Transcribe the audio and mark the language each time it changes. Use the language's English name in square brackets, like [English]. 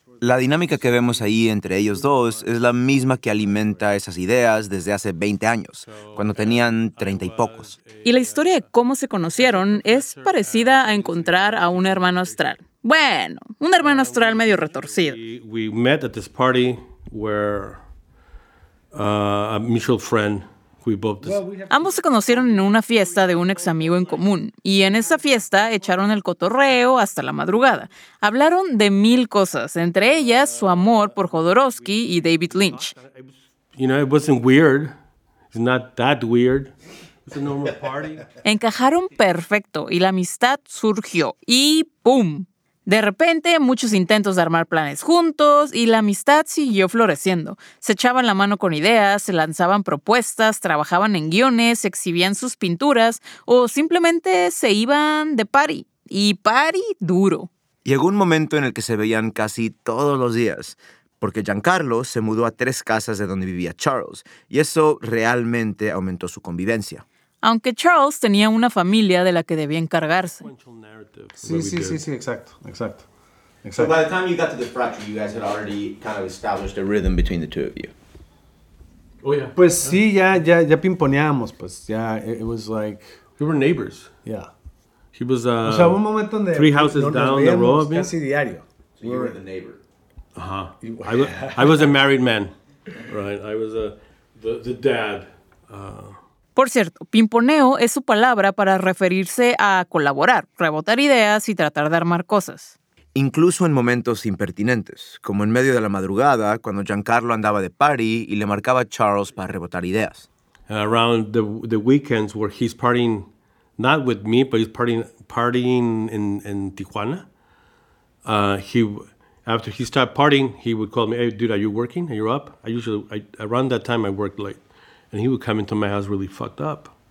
[Spanish] La dinámica que vemos ahí entre ellos dos es la misma que alimenta esas ideas desde hace 20 años, cuando tenían 30 y pocos. Y la historia de cómo se conocieron es parecida a encontrar a un hermano astral. Bueno, un hermano astral medio retorcido. [English] We met at this party where a mutual friend. [Spanish] Ambos se conocieron en una fiesta de un ex amigo en común, y en esa fiesta echaron el cotorreo hasta la madrugada. Hablaron de mil cosas, entre ellas su amor por Jodorowsky y David Lynch. [English] You know, it wasn't weird. It's not that weird. It's a normal party. [Spanish] Encajaron perfecto y la amistad surgió. Y ¡pum! De repente, muchos intentos de armar planes juntos y la amistad siguió floreciendo. Se echaban la mano con ideas, se lanzaban propuestas, trabajaban en guiones, exhibían sus pinturas o simplemente se iban de party. Y party duro. Llegó un momento en el que se veían casi todos los días, porque Giancarlo se mudó a 3 casas de donde vivía Charles y eso realmente aumentó su convivencia. Aunque Charles tenía una familia de la que debía encargarse. Sí, exacto. [English] So by the time you got to The Fracture, you guys had already kind of established a rhythm between the two of you. Oh yeah. [Spanish] Pues sí, ya pimponeamos, pues ya, [English] it was like we were neighbors. Yeah. He was [Spanish] o sea, un momento donde [English] 3 houses down the row of me. [Spanish] Casi diario. [English] So you were the neighbor. Uh-huh. I was a married man. Right. I was the dad. [Spanish] Por cierto, pimponeo es su palabra para referirse a colaborar, rebotar ideas y tratar de armar cosas. Incluso en momentos impertinentes, como en medio de la madrugada, cuando Giancarlo andaba de party y le marcaba a Charles para rebotar ideas. [English] Around the weekends where he's partying, not with me, but he's partying in Tijuana. After he started partying, he would call me, hey, dude, are you working? Are you up? Around that time, I worked late. And he would come into my house really fucked up.